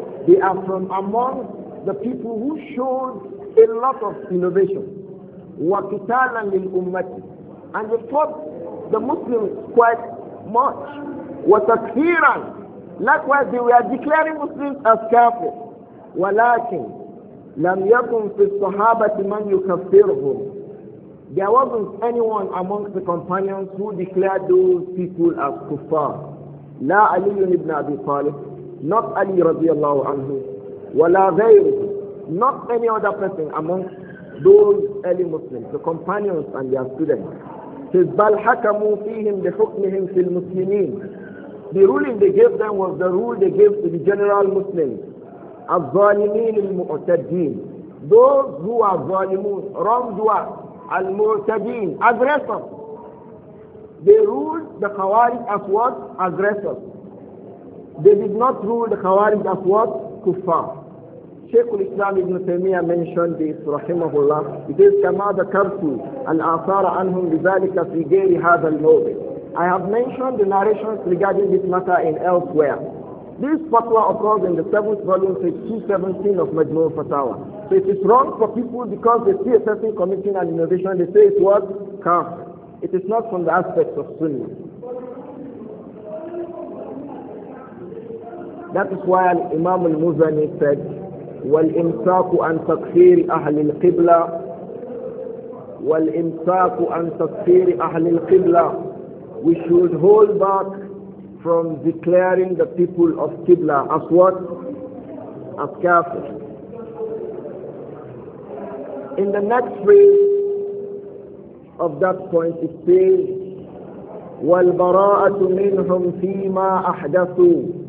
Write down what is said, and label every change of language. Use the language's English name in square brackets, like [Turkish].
[English] They are from among the people who showed a lot of innovation. [Arabic] Wa qitalan lil ummati. [English] And they fought the Muslims quite much. [Arabic] Wa takfiran. [English] Likewise, they were declaring Muslims as kafir. [Arabic] Walakin لم يكن في الصحابة من يكفرهم. [English] There wasn't anyone amongst the companions who declared those people as kuffar. [Arabic] لا علي بن أبي طالب. [English] Not Ali [Arabic] رضي الله عنه. ولا غيره. [English] Not any other person amongst those early Muslims, the companions and their students. [Arabic] بل حكموا فيهم بحكمهم في المسلمين. [English] The ruling they gave them was the rule they gave to the general Muslims. [Arabic] الظالمين المعتدين. [English] Those who are [Arabic] ظالمون, [English] wrongdoers, [Arabic] المعتدين, [English] aggressors. They ruled the Khawarij as what? Aggressors. They did not rule the Khawarij as what? Kuffar. Shaykh al-Islam ibn Taymiyyah mentioned this, rahimahullah. It is [Arabic] كما ذكرت الآثار عنهم لذلك في غير هذا الموضع. [English] I have mentioned the narrations regarding this matter in elsewhere. This fatwa occurs in the 7th volume, page 217 of Majmu' Fatawa. So it is wrong for people because they see a person committing an innovation, they say it was kafir. It is not from the aspects of sunnah. That is why Imam al-Muzani said, [Arabic] وَالْإِمْسَاكُ أَنْ تَكْفِيرِ أَهْلِ الْقِبْلَةِ وَالْإِمْسَاكُ أَنْ تَكْفِيرِ أَهْلِ الْقِبْلَةِ. [English] We should hold back from declaring the people of Qibla as what? As kafir. In the next phrase of that point it says, [Arabic] وَالْبَرَاءَةُ مِنْهُمْ فِي مَا أَحْدَثُوا.